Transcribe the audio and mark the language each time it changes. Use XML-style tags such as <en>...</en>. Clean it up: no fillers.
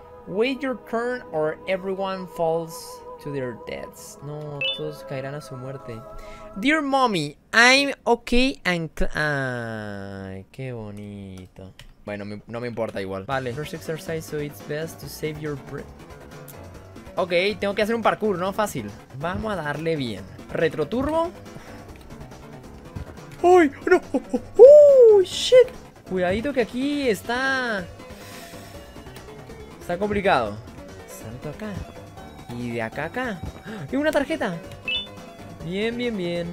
<en>Wait your turn or everyone falls to their deaths.</en> <es>No, todos caerán a su muerte.</es> <en>Dear mommy, I'm okay and...</en> <es>ay, qué bonito. Bueno, no me importa igual. Vale.</es> <en>First exercise, so it's best to save your breath.</en> <es>Ok, tengo que hacer un parkour, ¿no? Fácil. Vamos a darle bien. Retroturbo. ¡Ay! ¡No!</es> <en>¡Oh, shit!</en> <es>Cuidadito que aquí está... está complicado. Salto acá. Y de acá a acá. ¡Y una tarjeta! Bien.</es>